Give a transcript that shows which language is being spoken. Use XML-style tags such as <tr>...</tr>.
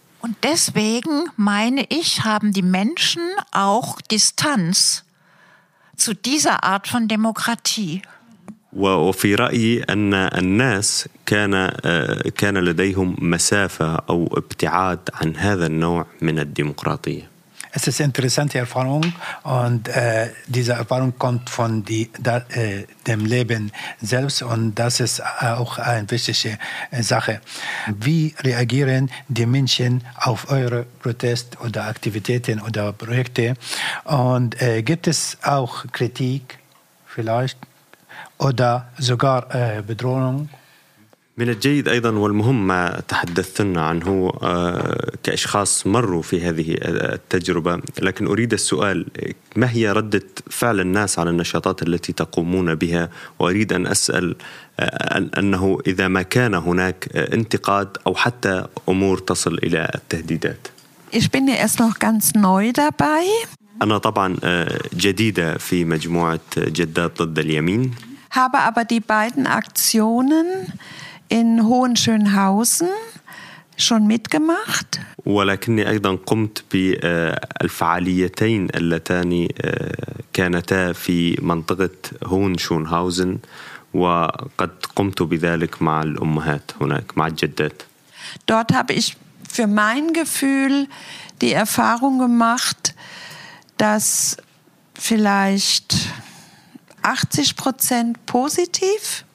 <de>Und deswegen meine ich, haben die Menschen auch Distanz zu dieser Art von Demokratie.</de> <ar>وفي رأيي أن الناس كان لديهم مسافة أو ابتعاد عن هذا النوع من الديمقراطية.</ar> <de>Es ist interessante Erfahrung und diese Erfahrung kommt von dem Leben selbst und das ist auch eine wichtige Sache. Wie reagieren die Menschen auf eure Protest oder Aktivitäten oder Projekte und gibt es auch Kritik vielleicht? Oder sogar Bedrohung.</de> <ar>من الجيد أيضا والمهم ما تحدثنا عنه كأشخاص مروا في هذه التجربة لكن أريد السؤال ما هي ردة فعل الناس على النشاطات التي تقومون بها وأريد أن أسأل أنه إذا ما كان هناك انتقاد أو حتى أمور تصل إلى التهديدات.</ar> <de>Ich bin erst noch ganz neu dabei.</de> <ar>أنا طبعا جديدة في مجموعة جداد ضد اليمين.</ar> <de>Habe aber die beiden Aktionen in Hohenschönhausen schon mitgemacht.</de> <ar>ولكني أيضا قمت بالفعاليتين اللتان كانتا في منطقة هونشونهاوزن وقد قمت بذلك مع الأمهات هناك مع الجدات.</ar> <de>Dort habe ich für mein Gefühl die Erfahrung gemacht, dass vielleicht 80% positiv.</de>